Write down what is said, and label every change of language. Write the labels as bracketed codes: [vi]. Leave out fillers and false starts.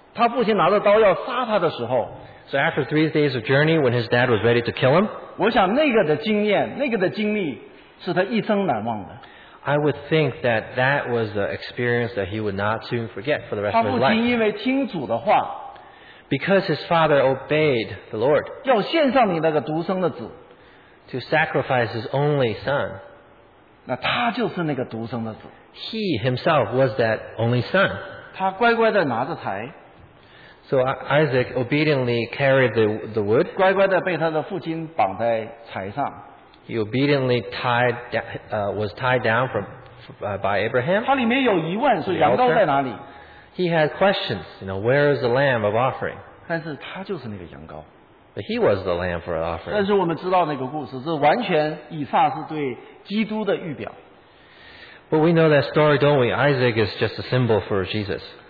[zh] 所以是当时他这个他被献上要他父亲拿着刀要杀他的时候。 [en] So after 3 days of journey, when his dad was ready to kill him. [zh] 我想那个的经验，那个的经历是他一生难忘的。 [en] I would think that was the experience that he would not soon forget for the rest of his life. [zh] 他父亲因为听主的话。 [en] Because his father obeyed the Lord. [zh] 要献上你那个独生的子, [en] to sacrifice his only son. [zh] 那他就是那个独生的子。 [en] He himself was that only son. [zh] 他乖乖地拿着柴, [en] So Isaac obediently carried the wood. [zh] 乖乖地被他的父亲绑在柴上。 [en] He obediently was tied down by Abraham. [zh] 他里面有疑问，是羊羔在哪里？ [en] He had questions, you know, where is the lamb of offering? [zh] 但是他就是那个羊羔。 [en] But he was the lamb for offering. [zh] 但是我们知道那个故事，这完全以撒是对基督的预表。 [en] But we know that story, don't we? Isaac is just a symbol for Jesus.